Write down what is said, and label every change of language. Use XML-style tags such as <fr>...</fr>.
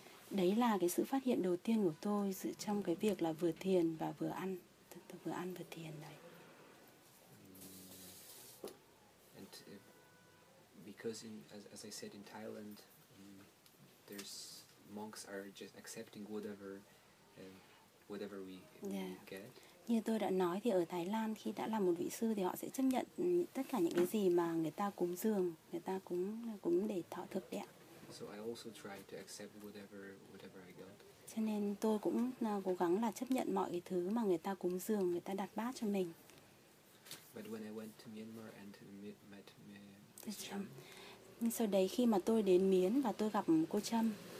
<vi>Đấy là cái sự phát hiện đầu tiên của tôi trong cái việc là vừa thiền và vừa ăn, vừa ăn vừa thiền đấy.</vi> <en>And because in as I said in Thailand there's monks are just accepting whatever whatever we get.</en> <vi>Như tôi đã nói thì ở Thái Lan khi đã là một vị sư thì họ sẽ chấp nhận tất cả những cái gì mà người ta cúng dường, người ta cúng để thọ thực đấy.</vi> <en>So I also try to accept whatever I got.</en> <vi>Cho nên tôi cũng cố gắng là chấp nhận mọi cái thứ mà người ta cúng dường, người ta đặt bát cho mình.</vi> <en>But when I went to Myanmar and met Mr. Trâm.</en> <vi>Sau đấy khi mà tôi đến Miến và tôi gặp cô Trâm.</vi>